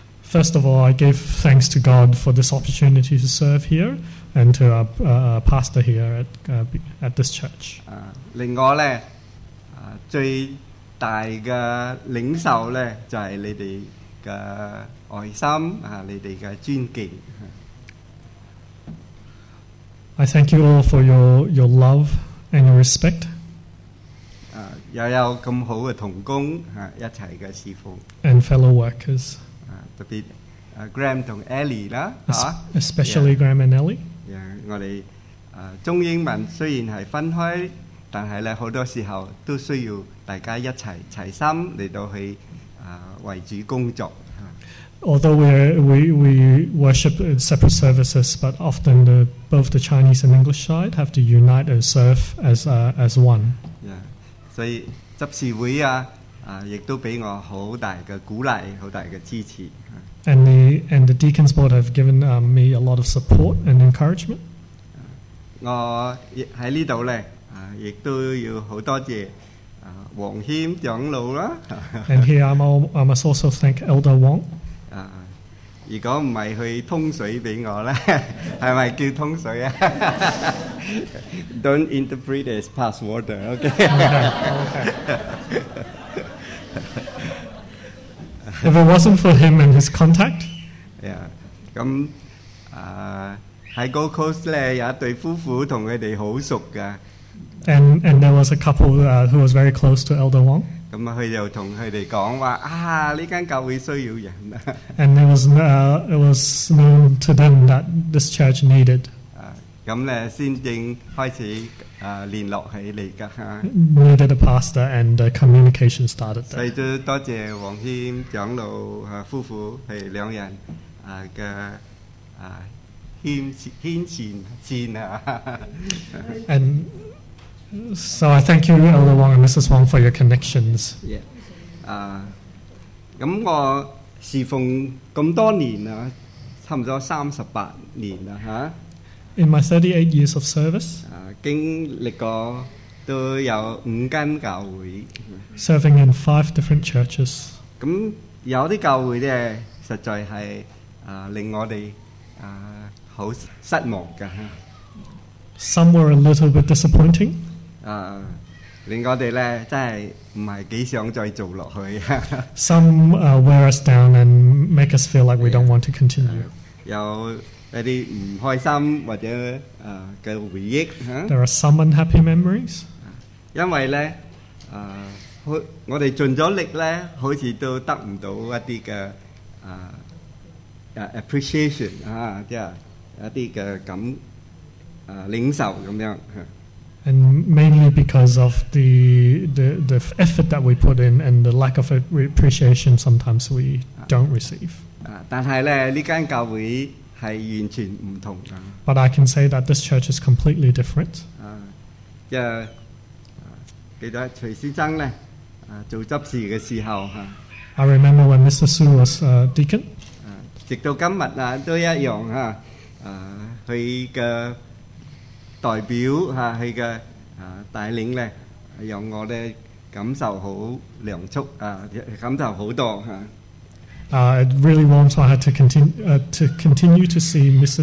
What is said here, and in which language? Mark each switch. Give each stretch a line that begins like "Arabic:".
English: First of all, I give thanks to God for this opportunity to serve here and to our pastor here at this church.
Cantonese: 另外咧，最大嘅領受咧就係你哋嘅愛心啊，你哋嘅尊敬。
English: I thank you all for your love and your respect.
Cantonese: 又有咁好嘅同工啊，一齊嘅侍奉。
English: And fellow workers.
Cantonese: 特別Graham同Ellie啦，
English: especially yeah, Graham and Ellie。
Cantonese: 我哋中英文雖然係分開，但係咧好多時候都需要大家一齊齊心嚟到去為主工作。
English: Although we worship in separate services, but often both the Chinese and English side have to unite and serve as one。
Cantonese: 所以執事會啊。亦都俾我好大嘅鼓勵，好大嘅支持。
English: And the Deacons Board have given me a lot of support and encouragement.
Cantonese: 我喺呢度咧，亦都要好多謝黃謙長老啦。
English: And here I must also thank Elder Wong.
Cantonese: 如果唔係佢通水俾我咧，係咪叫通水啊？
English: Don't interpret as pass water, okay? okay. If it wasn't for him and his contact,
Cantonese: yeah. 咁喺Gold Coast咧有一對夫婦同佢哋好熟噶。
English: And there was a couple who was very close to Elder Wong.
Cantonese: 咁佢就同佢哋講話啊，呢間教會需要人。
English: And it was known to them that this church needed.
Cantonese: 咁咧先正開始聯絡起嚟噶。
English: Needed a pastor and the communication started there.
Cantonese: 所以都多謝黃謙長老和夫婦係兩人嘅牽線啊。
English: And so I thank you, Elder Wong and Mrs. Wong, for your connections.
Cantonese: Yeah. 咁我侍奉咁多年啊，差唔多38年啦嚇。
English: In my 38 years of service,
Cantonese: 經歷過都有五間教會
English: serving in 5 different churches.
Cantonese: 咁有啲教會咧，實在係令我哋好失望嘅。
English: Some were a little bit disappointing.
Cantonese: 令我哋咧真係唔係幾想再做落去。
English: Some wear us down and make us feel like we don't want to continue.
Cantonese: 有一啲唔開心或者嘅回憶嚇。
English: There are some unhappy memories。
Cantonese: 因為咧，我哋盡咗力咧，好似都得唔到一啲嘅appreciation 嚇，即係一啲嘅感領受咁樣嚇。
English: And mainly because of the effort that we put in and the lack of appreciation, sometimes we don't receive。
Cantonese: 但係咧，呢間教會。是完全不同的。
English: But I can say that this church is completely different.
Cantonese: 記得徐先生呢，做執事的時候。
English: I remember when Mr. Su was a deacon.
Cantonese: 直到今日啊，都一樣啊，他的代表，他的帶領呢，讓我的感受好良足，感受好多。
English: It really warms my heart to continue to see Mr.